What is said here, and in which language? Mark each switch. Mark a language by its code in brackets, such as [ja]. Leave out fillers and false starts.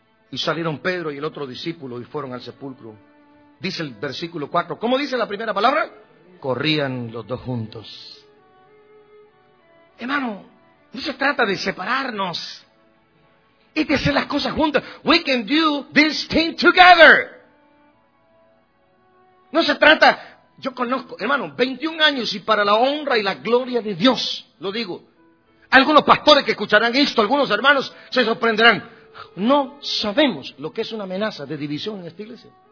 [es] Y salieron Pedro y el otro discípulo y fueron al sepulcro. Dice el versículo 4, ¿cómo dice la primera palabra? Corrían los dos juntos. Hermano, no se trata de separarnos. Es de hacer las cosas juntas. [en] We can do this thing together. [es] No se trata, yo conozco, hermano, 21 años y para la honra y la gloria de Dios, lo digo. Algunos pastores que escucharán esto, algunos hermanos se sorprenderán. No sabemos lo que es una amenaza de división en esta iglesia.